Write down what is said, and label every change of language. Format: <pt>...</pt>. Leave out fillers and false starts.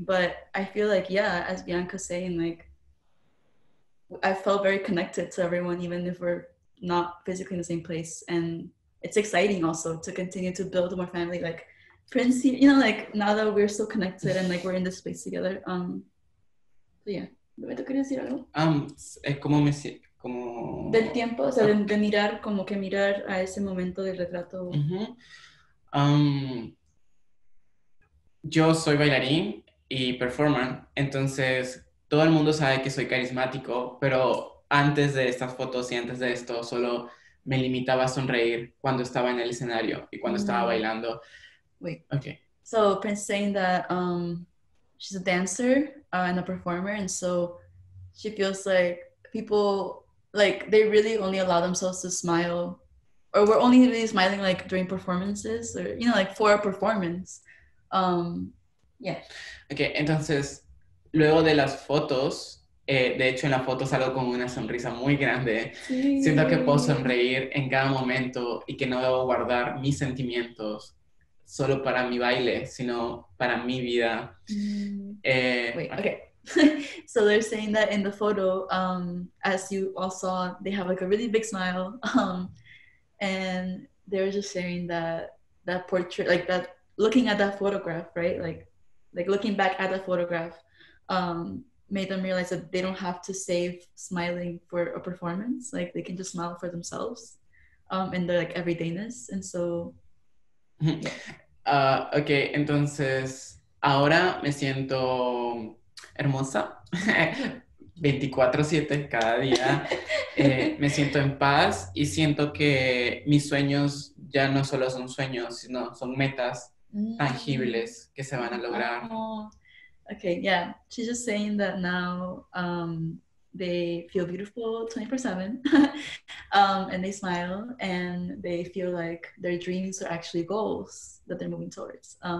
<en>But I feel like, yeah, as Bianca's saying, like, I felt very connected to everyone, even if we're not physically in the same place. And it's exciting also to continue to build more family, like Prince, you know, like now that we're so connected and like we're in this space together.</en> <es>Yeah. ¿Tú querías decir algo? Es como me siento, como... Del tiempo, o sea, de mirar, como que mirar a ese momento del retrato. Uh-huh. Yo soy bailarín y performer, entonces todo el mundo sabe que soy carismático, pero antes de estas fotos y antes de esto, solo me limitaba a sonreír cuando estaba en el escenario y cuando uh-huh. estaba bailando.</es> <en>Wait. Okay. So, Prince saying that she's a dancer and a performer, and so she feels like people, like, they really only allow themselves to smile, or we're only really smiling, like, during performances, or, you know, like, for a performance. Yeah.</en> <es>Okay, entonces, luego de las fotos, de hecho, en la foto salgo con una sonrisa muy grande. Sí. Siento que puedo sonreír en cada momento y que no debo guardar mis sentimientos solo para mi baile, sino para mi vida.</es> <en>Wait, okay. So they're saying that in the photo, as you all saw, they have like a really big smile, and they're just saying that portrait, like that, looking at that photograph, right? Like looking back at that photograph, made them realize that they don't have to save smiling for a performance. Like they can just smile for themselves, in their like everydayness. And so, yeah. Okay.</en> <es>Entonces, ahora me siento hermosa, 24/7 cada día, me siento en paz y siento que mis sueños ya no solo son sueños, sino son metas tangibles que se van a lograr. Oh.</es> <en>Okay, yeah, she's just saying that now they feel beautiful 24/7 and they smile and they feel like their dreams are actually goals that they're moving towards.</en>